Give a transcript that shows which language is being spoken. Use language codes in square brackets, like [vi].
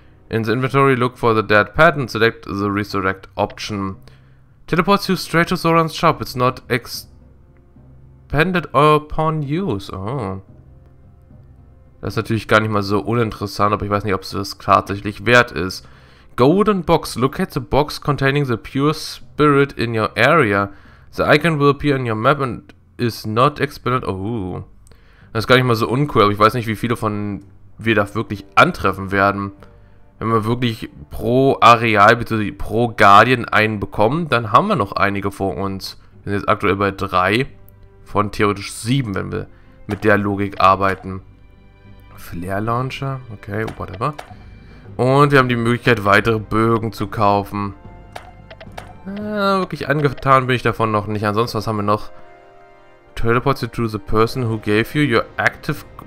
[en] In the inventory, look for the dead pet and select the resurrect option. Teleports you straight to Zoran's shop. It's not expended upon use. Oh. [de] Das ist natürlich gar nicht mal so uninteressant, aber ich weiß nicht, ob es das tatsächlich wert ist. [en] Golden Box. Locate the box containing the pure spirit in your area. The icon will appear in your map and is not expended. Oh. [de] Das ist gar nicht mal so uncool, aber ich weiß nicht, wie viele von wir da wirklich antreffen werden. Wenn wir wirklich pro Areal bzw. pro Guardian einen bekommen, dann haben wir noch einige vor uns. Wir sind jetzt aktuell bei 3 von theoretisch 7, wenn wir mit der Logik arbeiten. Flare Launcher, okay, whatever. Und wir haben die Möglichkeit, weitere Bögen zu kaufen. Wirklich angetan bin ich davon noch nicht. Ansonsten, was haben wir noch? [en] Teleport you to the person who gave you your active...